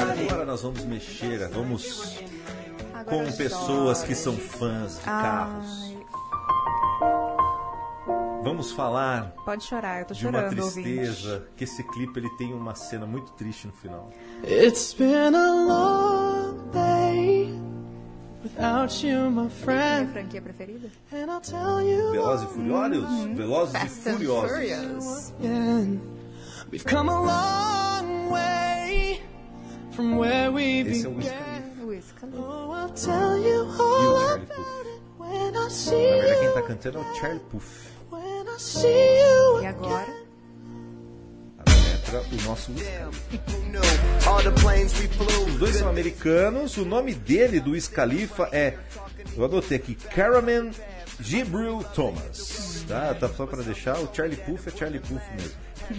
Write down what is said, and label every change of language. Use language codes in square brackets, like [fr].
[pt] Agora nós vamos mexer, vamos. Agora com pessoas que são fãs de carros. Vamos falar. Pode chorar, eu tô de chorando. De uma tristeza, ouvinte. Que esse clipe ele tem uma cena muito triste no final. [en] It's been a long day without you, my friend. [pt] Minha franquia preferida? [en] And I'll tell you. [pt] Velozes e Furiosos? Velozes [en] Fast [pt] e Furiosos. [en] We've come a long way from where we began. [pt] Esse é o Wiz Khalifa. [en] Oh, I'll tell you all about it when I see you. [pt] Na verdade, quem tá cantando é o Charlie Puth. E agora? A letra, o nosso Wiz Khalifa. Os dois são americanos. O nome dele, do Wiz Khalifa, é... Eu anotei aqui. Caramen Gibril Thomas. Tá só pra deixar. O Charlie Puth é Charlie Puth mesmo.